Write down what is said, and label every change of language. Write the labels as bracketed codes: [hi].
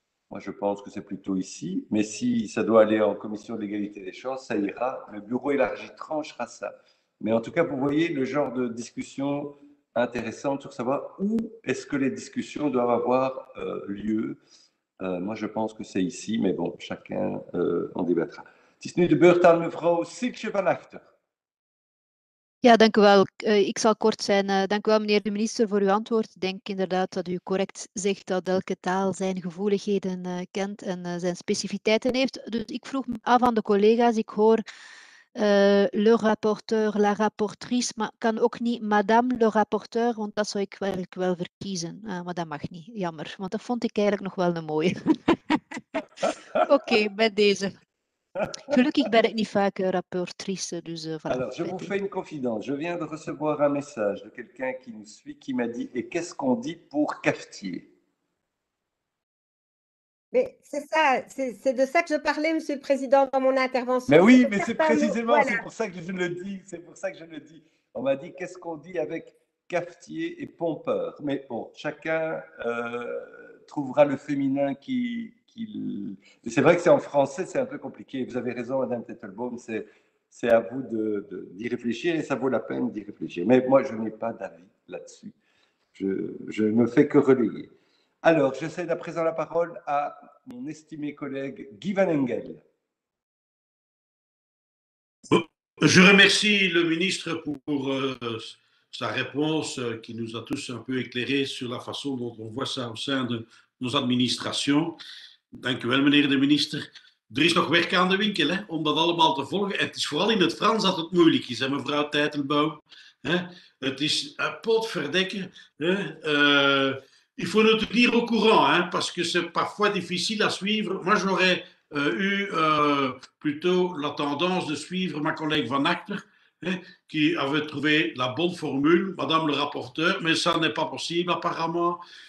[fr] Moi, je pense que c'est plutôt ici. Mais si ça doit aller en commission de l'égalité des chances, ça ira. Le bureau élargi tranchera ça. Mais en tout cas, vous voyez le genre de discussion intéressante sur savoir où est-ce que les discussions doivent avoir lieu. Moi, je pense que c'est ici, mais bon, chacun en débattra. [nl] Het is nu de beurt aan mevrouw Sietje van Achter. Ja, dank u wel. Ik zal kort zijn. Dank u wel, meneer de minister, voor uw antwoord. Ik denk inderdaad dat u correct zegt dat elke taal zijn gevoeligheden kent en zijn specificiteiten heeft. Dus ik vroeg me af aan de collega's, ik hoor [fr] le rapporteur, la rapportrice, [nl] maar kan ook niet [fr] madame le rapporteur, [nl] want dat zou ik eigenlijk wel verkiezen. Maar dat mag niet, jammer, want dat vond ik eigenlijk nog wel een mooie. Oké, bij deze. Gelukkig ben ik niet vaak rapportrice, dus voilà. [fr] Alors, je vous fais une confidence. Je viens de recevoir un message de quelqu'un qui nous suit, qui m'a dit, et qu'est-ce qu'on dit pour cafetier? Mais c'est ça, c'est de ça que je parlais, Monsieur le Président, dans mon intervention. Mais oui, mais c'est précisément, voilà. C'est pour ça que je le dis, c'est pour ça que je le dis. On m'a dit, qu'est-ce qu'on dit avec cafetier et pompeur? Mais bon, chacun trouvera le féminin qui... C'est vrai que c'est en français, c'est un peu compliqué. Vous avez raison, Madame Tettelbaum, c'est à vous d'y réfléchir et ça vaut la peine d'y réfléchir. Mais moi, je n'ai pas d'avis là-dessus. Je ne fais que relayer. Alors, je cède à présent la parole à mon estimé collègue Guy Van Engel. Je remercie le ministre pour sa réponse qui nous a tous un peu éclairé sur la façon dont on voit ça au sein de nos administrations. [nl] Dank u wel, meneer de minister. Er is nog werk aan de winkel, hè, om dat allemaal te volgen. En het is vooral in het Frans dat het moeilijk is, hè, mevrouw Tettelbaum. Het is potverdekken. [fr] Il faut le tenir au courant, hein, parce que c'est parfois difficile à suivre. Moi, j'aurais plutôt la tendance de suivre ma collègue Van Achter, hein, qui avait trouvé la bonne formule, madame le rapporteur, mais ça n'est pas possible apparemment.